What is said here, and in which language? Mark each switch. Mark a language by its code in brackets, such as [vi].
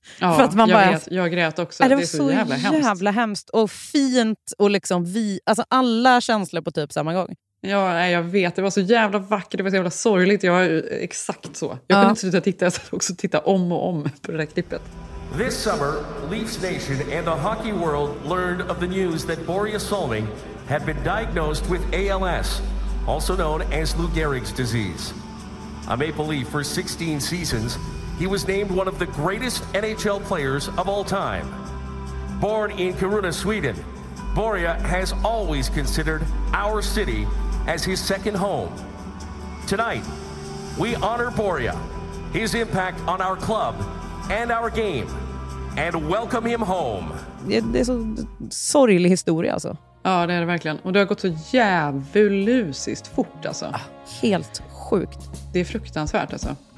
[sv] Ja, för att man bara, jag grät också. Det var så jävla hemskt. Och fint och liksom vi... Alltså alla känslor på typ samma gång. Ja, nej, jag vet. Det var så jävla vackert. Det var så jävla sorgligt. Jag är exakt så. Jag kunde inte sluta titta. Jag satt också och titta om och om på det där klippet. [en] This summer, Leafs Nation and the hockey world learned of the news that Börje Salming had been diagnosed with ALS, also known as Lou Gehrig's disease. A Maple Leaf for 16 seasons, he was named one of the greatest NHL players of all time. Born in Kiruna, Sweden, Börje has always considered our city as his second home. Tonight, we honor Börje, his impact on our club and our game, and welcome him home. [sv] Det är så sorglig historia alltså. Ja, det är det verkligen. Och det har gått så jävulusiskt fort alltså. Helt sjukt. Det är fruktansvärt alltså.